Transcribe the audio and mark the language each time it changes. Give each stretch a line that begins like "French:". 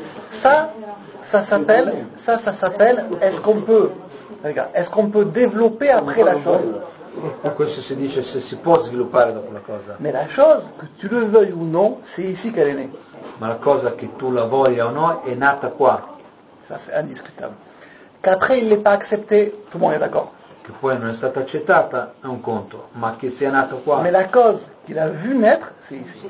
French: ça s'appelle est-ce qu'on peut développer après la chose?
Italian: Questo si dice se si può sviluppare dopo la cosa.
French: Mais la chose, que tu le veuilles ou non, c'est ici qu'elle est née.
Italian: Ma la cosa che tu la voglia o no è nata qua.
French: Ça c'est indiscutable. Qu'après il l'ait pas accepté, tout le monde est d'accord.
Italian: Che poi non è stata accettata è un conto, ma che sia nato qua.
French: Mais
Italian: la cosa
French: qu'il a vu naître, c'est ici.